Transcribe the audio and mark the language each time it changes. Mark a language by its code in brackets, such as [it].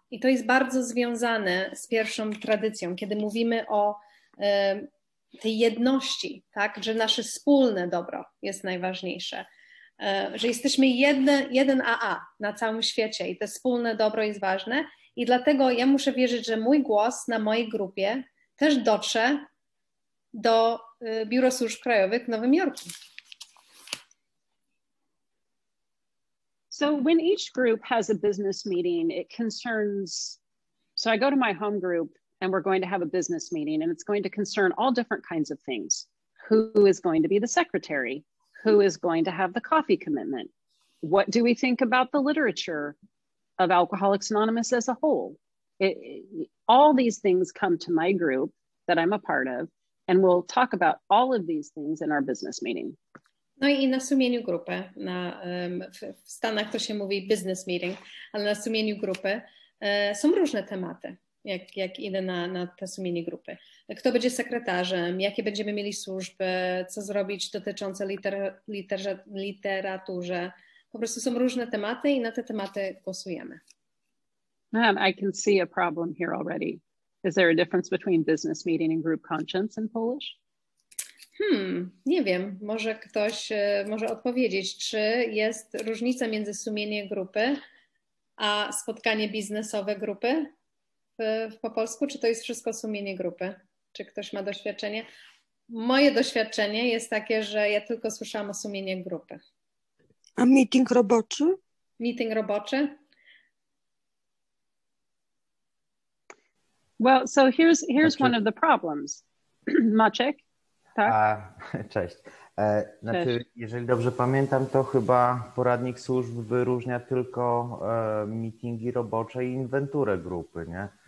[pl] I to jest bardzo związane z pierwszą tradycją, kiedy mówimy o tej jedności, tak, że nasze wspólne dobro jest najważniejsze, że jesteśmy jeden AA na całym świecie i to wspólne dobro jest ważne i dlatego ja muszę wierzyć, że mój głos na mojej grupie też dotrze do Biura Służb Krajowych w Nowym Jorku. [en] So when each group has a business meeting, it concerns, so I go to my home group and we're going to have a business meeting and it's going to concern all different kinds of things. Who is going to be the secretary? Who is going to have the coffee commitment? What do we think about the literature of Alcoholics Anonymous as a whole? All these things come to my group that I'm a part of and we'll talk about all of these things in our business meeting. [pl] No i na sumieniu grupy, w Stanach to się mówi business meeting, ale na sumieniu grupy są różne tematy, jak idę na te sumienie grupy. Kto będzie sekretarzem, jakie będziemy mieli służby, co zrobić dotyczące literaturze. Po prostu są różne tematy i na te tematy głosujemy. [en] Man, I can see a problem here already. Is there a difference between business meeting and group conscience in Polish? [pl] Nie wiem, może ktoś może odpowiedzieć, czy jest różnica między sumieniem grupy a spotkanie biznesowe grupy po polsku, czy to jest wszystko sumienie grupy? Czy ktoś ma doświadczenie? Moje doświadczenie jest takie, że ja tylko słyszałam o sumieniu grupy. A meeting roboczy? Meeting roboczy. [en] Well, so here's one of the problems. [pl] Maciek? Tak. Cześć. Znaczy, cześć. Jeżeli dobrze pamiętam, to chyba poradnik służb wyróżnia tylko meetingi robocze i inwenturę grupy, nie?